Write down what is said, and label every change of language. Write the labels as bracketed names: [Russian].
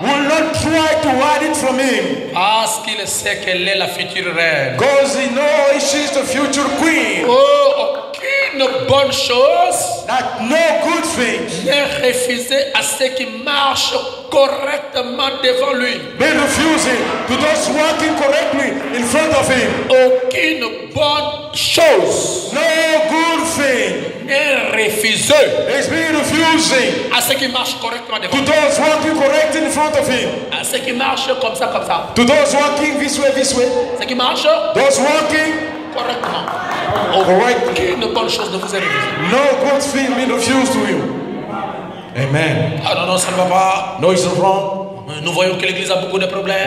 [English] Will not try to hide it from him. [French] Parce qu'il sait qu'elle est la future reine. [English] Because he knows. Oh, she is the future queen. [French] Oh, aucune bonne chose. [English] Not no good thing. [French] Ne refusez à ceux qui marchent correctement devant lui. [English] Be refusing to those walking correctly in front of him. [French] Aucune bonne chose. [English] No good thing. [French] Ne refusez. [English] It's being refusing. [French] À ceux qui marchent correctement devant lui. [English] To those walking correctly in front of him. [French] À ceux qui marchent comme ça, comme ça. [English] To those walking this way, this way. [French] Ceux qui marchent. [English] Those walking. [French] Correctement. Aucune bonne chose ne vous est refusée. [English] No good thing being refused to you. Amen. [French] Ah non, non, ça ne va pas. [English] No, it's wrong. [French] Nous voyons que l'église a beaucoup de problèmes.